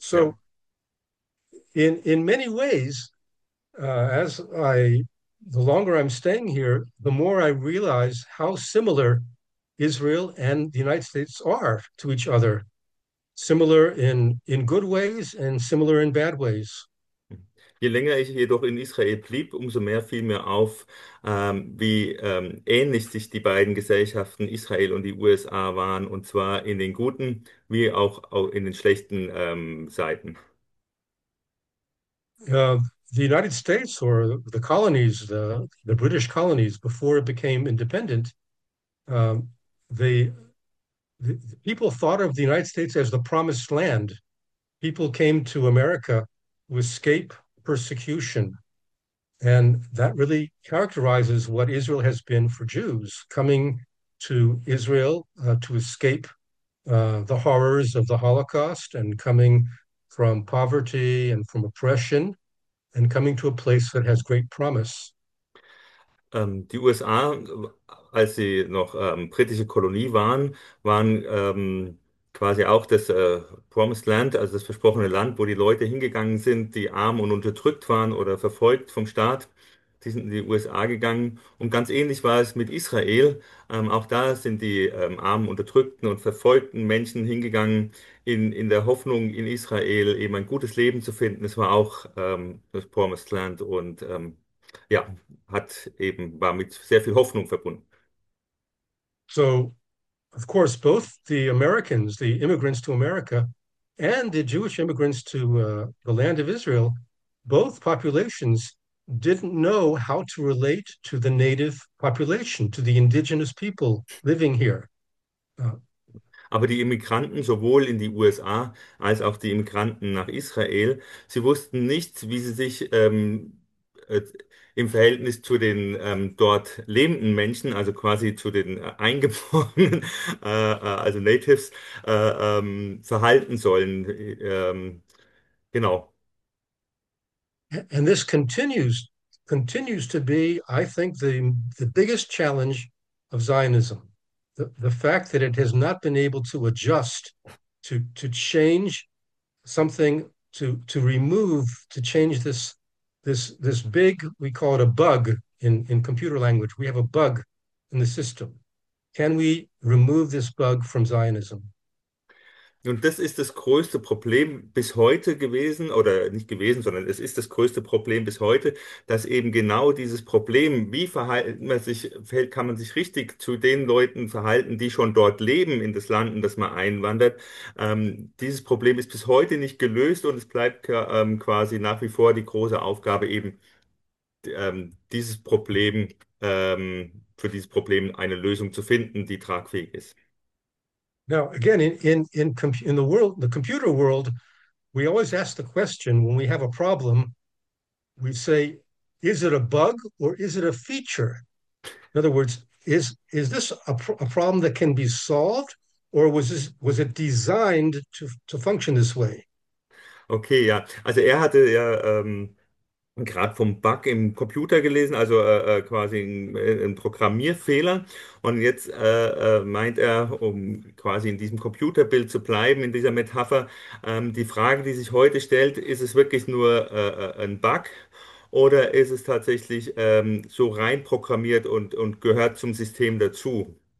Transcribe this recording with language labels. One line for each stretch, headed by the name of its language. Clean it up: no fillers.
English: So in many ways, as I the longer I'm staying here, the more I realize how similar Israel and the United States are to each other. Similar in good ways and similar in bad ways.
German: Je länger ich jedoch in Israel blieb, umso mehr fiel mir auf, wie ähnlich sich die beiden Gesellschaften Israel und die USA waren, und zwar in den guten wie auch in den schlechten Seiten.
English: The United States or the colonies, the British colonies, before it became independent, the people thought of the United States as the promised land. People came to America to escape persecution. And that really characterizes what Israel has been for Jews, coming to Israel to escape the horrors of the Holocaust and coming from poverty and from oppression. And coming to a place that has great promise.
German: Die USA, als sie noch britische Kolonie waren, waren quasi auch das Promised Land, also das versprochene Land, wo die Leute hingegangen sind, die arm und unterdrückt waren oder verfolgt vom Staat. Sie sind in die USA gegangen. Und ganz ähnlich war es mit Israel. Auch da sind die armen, unterdrückten und verfolgten Menschen hingegangen, in der Hoffnung, in Israel eben ein gutes Leben zu finden. Es war auch das Promised Land und ja, hat eben war mit sehr viel Hoffnung verbunden.
English: So, of course, both the Americans, the immigrants to America, and the Jewish immigrants to the land of Israel, both populations didn't know how to relate to the native population, to the indigenous people living here.
German: Aber die Immigranten sowohl in die USA als auch die Immigranten nach Israel, sie wussten nicht, wie sie sich im Verhältnis zu den dort lebenden Menschen, also quasi zu den Eingeborenen, also Natives, verhalten sollen. Genau.
English: And this continues to be, I think, the biggest challenge of Zionism. The fact that it has not been able to adjust to change something to remove to change this big, we call it a bug in computer language. We have a bug in the system. Can we remove this bug from Zionism?
German: Und das ist das größte Problem bis heute gewesen, oder nicht gewesen, sondern es ist das größte Problem bis heute, dass eben genau dieses Problem, wie verhält man sich, kann man sich richtig zu den Leuten verhalten, die schon dort leben, in das Land, in das man einwandert, dieses Problem ist bis heute nicht gelöst und es bleibt quasi nach wie vor die große Aufgabe, eben dieses Problem, für dieses Problem eine Lösung zu finden, die tragfähig ist.
English: Now, again, in the world, the computer world, we always ask the question when we have a problem, we say, is it a bug or is it a feature? In other words, is this a problem that can be solved or was it designed to function this way?
German: Okay, ja. Also er hatte ja gerade vom Bug im Computer gelesen, also quasi ein Programmierfehler. Und jetzt meint er, um quasi in diesem Computerbild zu bleiben, in dieser Metapher, die Frage, die sich heute stellt, ist es wirklich nur ein Bug oder ist es tatsächlich so rein programmiert und gehört zum System dazu?